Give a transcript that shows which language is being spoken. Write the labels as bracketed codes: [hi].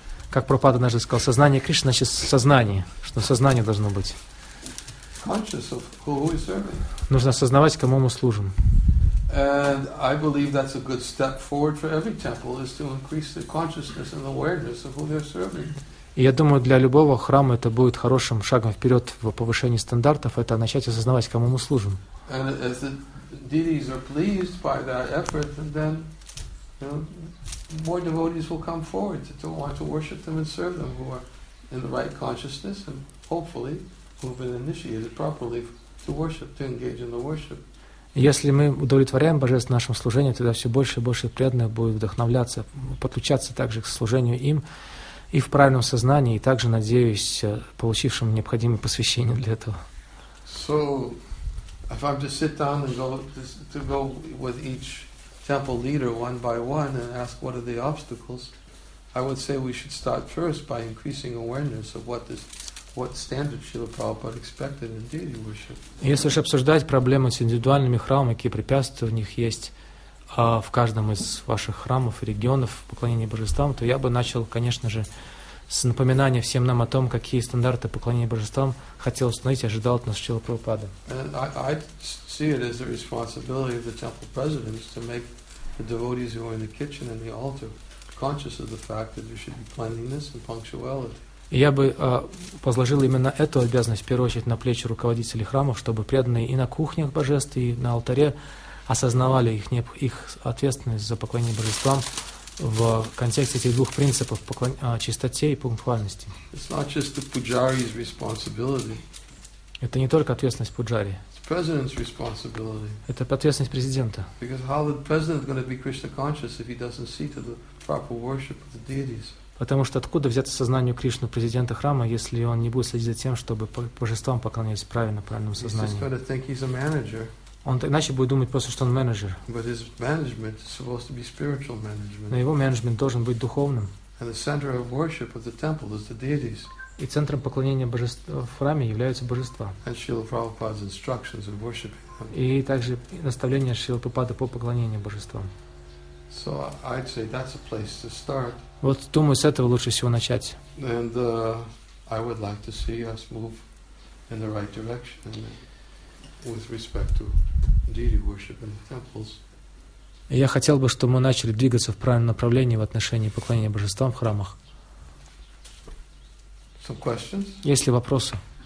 [ru] Как Прабхупада однажды сказал, сознание Кришны значит сознание, что сознание должно быть. [en] Conscious of who we serve. [ru] Нужно осознавать, кому мы служим. [en] And I believe that's a good step forward for every temple is to increase the consciousness and awareness of who they're serving. [ru] И я думаю, для любого храма это будет хорошим шагом вперед в повышении стандартов, это начать осознавать, кому мы служим. [en] And if the deities are pleased by that effort, then more devotees will come forward to want to worship them and serve them who are in the right consciousness and hopefully who have been initiated properly to worship, to engage in the worship. [ru] Если мы удовлетворяем Божественное нашему служению, тогда все больше и больше преданных будет вдохновляться, подключаться также к служению им и в правильном сознании, и также, надеюсь, получившим необходимое посвящение для этого. [en] So, if I'm to sit down and go to go with each temple leader one by one and ask what are the obstacles, I would say we should start first by increasing awareness of what this what standard Srila Prabhupada expected in deity worship. [ru] Если же обсуждать проблемы с индивидуальными храмами, какие препятствия в них есть в каждом из ваших храмов и регионов поклонения божествам, то я бы начал, конечно же, с напоминания всем нам о том, какие стандарты поклонения божествам хотел установить и ожидал от нас Шрила Прабхупада. [en] I see it as the responsibility of the temple presidents to make the devotees who are in the kitchen and the altar conscious of the fact that there should be cleanliness and punctuality. [ru] Я бы возложил именно эту обязанность в первую очередь на плечи руководителей храмов, чтобы преданные и на кухнях божеств, и на алтаре осознавали их ответственность за поклонение божествам в контексте этих двух принципов чистоте и пунктуальности. [en] It's not just the pujari's responsibility. [ru] Это не только ответственность пуджари. [en] It's president's responsibility. [ru] Это ответственность президента. [en] Because how the president going to be Krishna conscious if he doesn't see to the proper worship of the deities? [ru] Потому что откуда взяться сознанию Кришны, президента храма, если он не будет следить за тем, чтобы божествам поклонялись правильно, правильному сознанию? [en] He's just going to think he's a manager. [ru] Он иначе будет думать просто, что он менеджер. [en] But his management is supposed to be spiritual management. [ru] Но его менеджмент должен быть духовным. [en] And the center of worship of the temple is the deities. [ru] И центром поклонения божества в храме являются божества. [en] And Srila Prabhupada's instructions of worshiping them. [ru] И также наставления Шрилы Прабхупады по поклонению божествам. [en] So I'd say that's a place to start. [ru] Вот думаю, с этого лучше всего начать. [en] And I would like to see us move in the right direction. With respect to deity worship in the temples. [ru] Я хотел бы, чтобы мы начали двигаться в правильном направлении в отношении поклонения божествам в храмах. [en] Some questions? [ru] Есть ли вопросы?